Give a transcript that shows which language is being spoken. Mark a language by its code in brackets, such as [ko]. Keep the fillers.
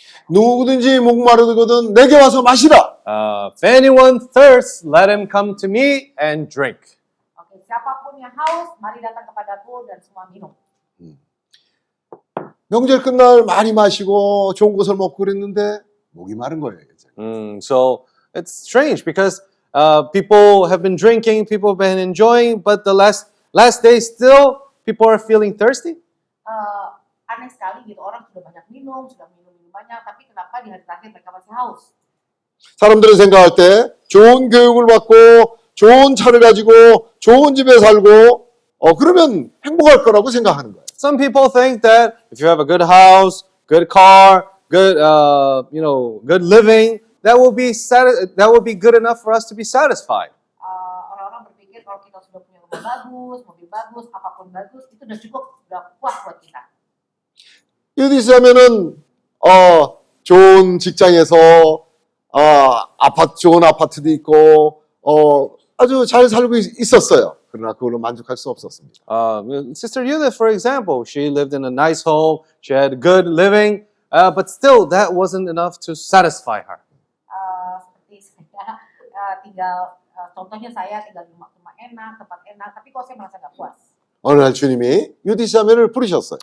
[ko] 누구든지 목마르거든 내게 와서 마시라. [en] Uh, if anyone thirsts, let him come to me and drink. [id] Okay, siapapun yang haus, mari datang kepadaku dan semua minum. [ko] 명절 끝날 많이 마시고 좋은 것을 먹고 그랬는데 목이 마른 거예요. [en] 음, mm, so it's strange because uh, people have been drinking, people have been enjoying, but the last last day still people are feeling thirsty. [id] Uh, aneh sekali gitu orang sudah banyak minum, sudah minum banyak, tapi kenapa di hari terakhir mereka masih haus? [ko] 사람들은 생각할 때 좋은 교육을 받고 좋은 차를 가지고 좋은 집에 살고 그러면 행복할 거라고 생각하는 거예요. [en] Some people think that if you have a good house, good car, good you know, good living, that will be sati- that will be good enough for us to be satisfied. [id] orang-orang berpikir k a l a kita sudah punya rumah bagus, mobil bagus, apapun bagus, itu sudah cukup sudah puas buat kita. [ko] 이렇게 하면은 어 좋은 직장에서 어, 아파트, 좋은 아파트도 있고, 어, 아주 잘 살고 있었어요. 그러나 그걸로 만족할 수 없었습니다. [en] Uh, Sister Yuna, for example, she lived in a nice home, she had good living, uh, but still that wasn't enough to satisfy her. [id] Uh, seperti saya, uh, tinggal, uh, contohnya saya tinggal di rumah enak, tempat enak, tapi kok saya merasa nggak puas? [ko] 어느 날 주님이 유디 자매를 부르셨어요.